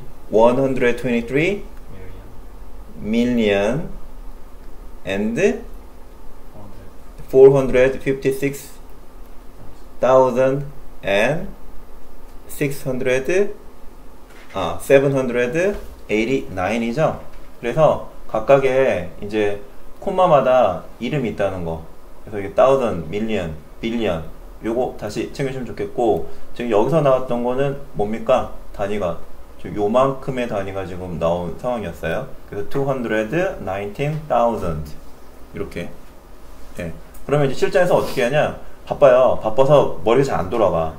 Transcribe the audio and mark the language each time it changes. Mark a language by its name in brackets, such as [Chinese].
[English] 123 million and 456 thousand and 789 [Korean] 이죠. 그래서 각각의 이제 콤마마다 이름이 있다는 거. 그래서 이게 [English] thousand, million, billion. [Korean] 요거 다시 챙겨주시면 좋겠고, 지금 여기서 나왔던 거는 뭡니까? 단위가. 지금 요만큼의 단위가 지금 나온 상황이었어요. 그래서 219,000. 이렇게. 예. 그러면 이제 실전에서 어떻게 하냐? 바빠요. 바빠서 머리가 잘안 돌아가.